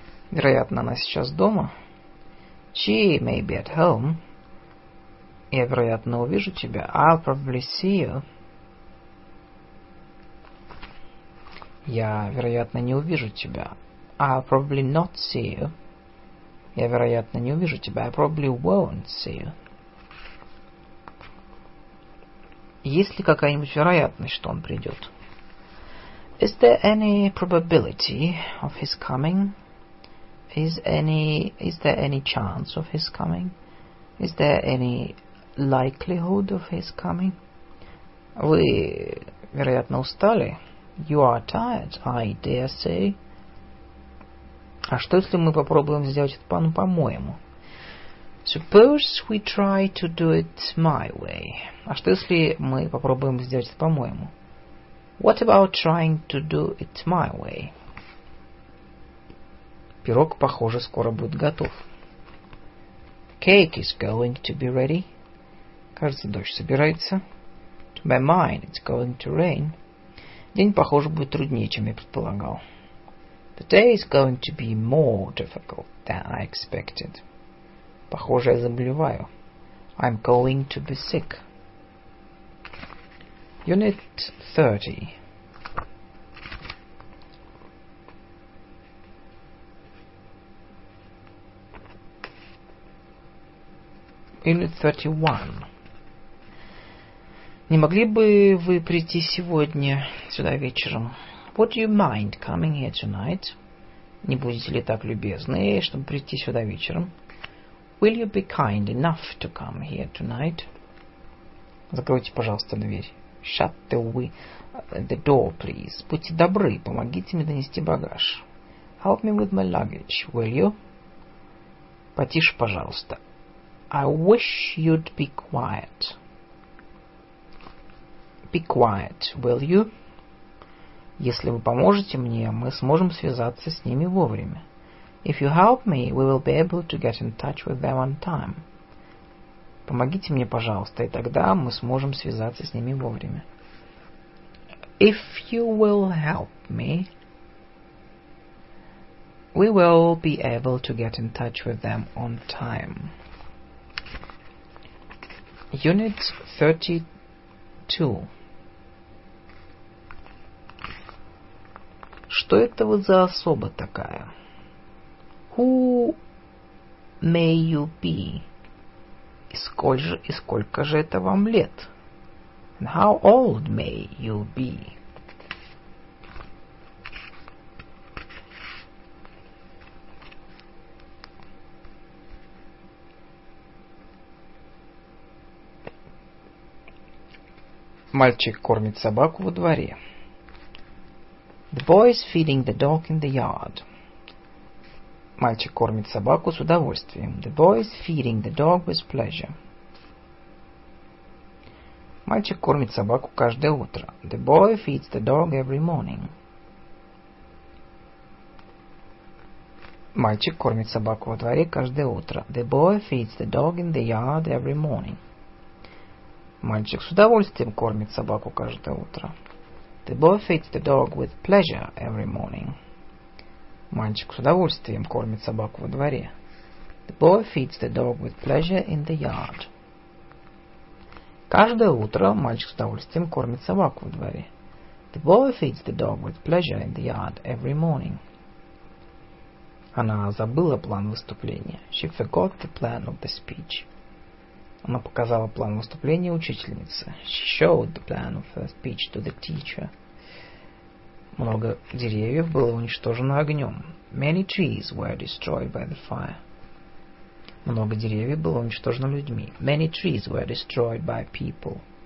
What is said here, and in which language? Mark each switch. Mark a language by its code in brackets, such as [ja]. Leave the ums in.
[ru] Вероятно, она сейчас дома. [en] She may be at home. [ru] Я, вероятно, увижу тебя. [en] I'll probably see you. [ru] Я, вероятно, не увижу тебя. [en] I'll probably not see you. [ru] Я, вероятно, не увижу тебя. [en] I probably won't see you. [ru] Есть ли какая-нибудь вероятность, что он придет? [en] Is there any probability of his coming? Is any is there any chance of his coming? Is there any likelihood of his coming? [ru] Вы, вероятно, устали. [en] You are tired, I dare say. [ru] А что, если мы попробуем сделать это по- по-моему? [en] Suppose we try to do it my way. [ru] А что, если мы попробуем сделать это по-моему? [en] What about trying to do it my way? [ru] Пирог, похоже, скоро будет готов. [en] Cake is going to be ready. [ru] Кажется, дождь собирается. [en] To my mind, it's going to rain. [ru] День, похоже, будет труднее, чем я предполагал. [en] The day is going to be more difficult than I expected. [ru] Похоже, я заболеваю. [en] I'm going to be sick. Unit 30. Unit 31. [ru] Не могли бы вы прийти сегодня сюда вечером? [en] Would you mind coming here tonight? [ru] Не будете ли так любезны, чтобы прийти сюда вечером? [en] Will you be kind enough to come here tonight? [ru] Закройте, пожалуйста, дверь. [en] Shut the, wi- the door, please. [ru] Будьте добры, помогите мне донести багаж. [en] Help me with my luggage, will you? [ru] Потише, пожалуйста. [en] I wish you'd be quiet. Be quiet, will you? [ru] Если вы поможете мне, мы сможем связаться с ними вовремя. [en] If you help me, we will be able to get in touch with them on time. [ru] Помогите мне, пожалуйста, и тогда мы сможем связаться с ними вовремя. [en] If you will help me, we will be able to get in touch with them on time. Unit 32. [ru] Что это вы за особа такая? [en] Who may you be? [ru] И сколь же- и сколько же это вам лет? [en] And how old may you be? [ru] Мальчик кормит собаку во дворе. [en] The boy is feeding the dog in the yard. [ru] Мальчик кормит собаку с удовольствием. [en] The boy is feeding the dog with pleasure. [ru] Мальчик кормит собаку каждое утро. [en] The boy feeds the dog every morning. [ru] Мальчик кормит собаку во дворе каждое утро. [en] The boy feeds the dog in the yard every morning. [ru] Мальчик с удовольствием кормит собаку каждое утро. [en] The boy feeds the dog with pleasure every morning. [ru] Мальчик с удовольствием кормит собаку во дворе. [en] The boy feeds the dog with pleasure in the yard. [ru] Каждое утро мальчик с удовольствием кормит собаку во дворе. [en] The boy feeds the dog with pleasure in the yard every morning. [ru] Она забыла план выступления. [en] She forgot the plan of the speech. [ru] Она показала план выступления учительнице. [en] She showed the plan of her speech to the teacher. [ru] Много деревьев было уничтожено огнем. [en] Many trees were destroyed by the fire. [ru] Много деревьев было уничтожено людьми. [en] Many trees were destroyed by people.